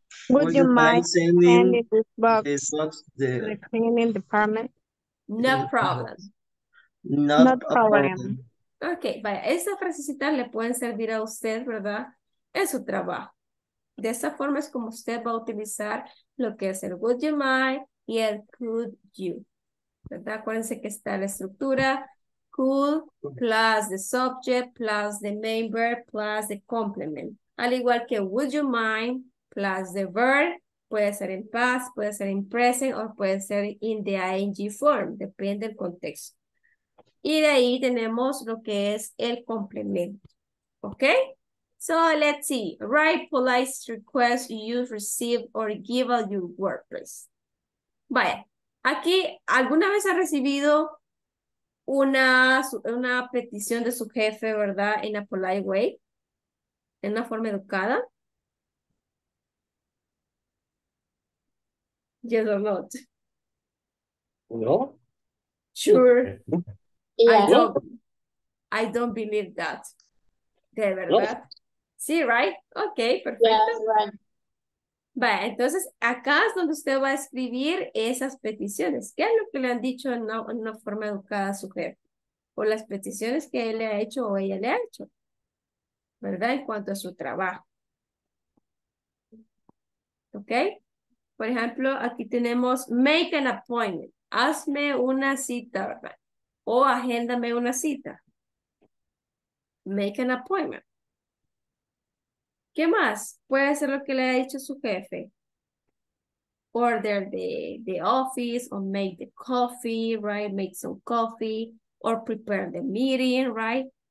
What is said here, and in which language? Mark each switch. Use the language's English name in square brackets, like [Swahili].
[English] Would you mind sending this box to the cleaning department? No problem. Not a problem. [Spanish] Okay, vaya, esa frasecita le pueden servir a usted, ¿verdad? En su trabajo. De esa forma es como usted va a utilizar lo que es el [English] would you mind [Spanish] y el [English] could you. [Spanish] ¿Verdad? Acuérdense que está la estructura [English] could plus the subject plus the main verb plus the complement. [Spanish] Al igual que [English] would you mind plus the verb, [Spanish] puede ser en past, puede ser en present, o puede ser [English] in the ing form, [Spanish] depende del contexto. Y de ahí tenemos lo que es el complemento, ¿ok? [English] So, let's see, write polite requests you receive or give out your workplace. [Spanish] Vaya, aquí, ¿alguna vez ha recibido una petición de su jefe, verdad, [English] in a polite way, [Spanish] en una forma educada? [English] Yes or not? No. Sure. Yeah. I don't believe that. [Spanish] De verdad. [English] No. Sí, right? Okay, perfecto. Yeah, right. [Spanish] Vale, entonces, acá es donde usted va a escribir esas peticiones. ¿Qué es lo que le han dicho en una forma educada a su jefe? O las peticiones que él le ha hecho o ella le ha hecho. ¿Verdad? En cuanto a su trabajo. Okay. Por ejemplo, aquí tenemos [English] make an appointment. [Spanish] hazme una cita, ¿verdad? O agéndame una cita. [English] Make an appointment. [Spanish] ¿Qué más? Puede ser lo que le ha dicho su jefe. [English] Order the office, or make the coffee, right? Make some coffee, or prepare the meeting, right?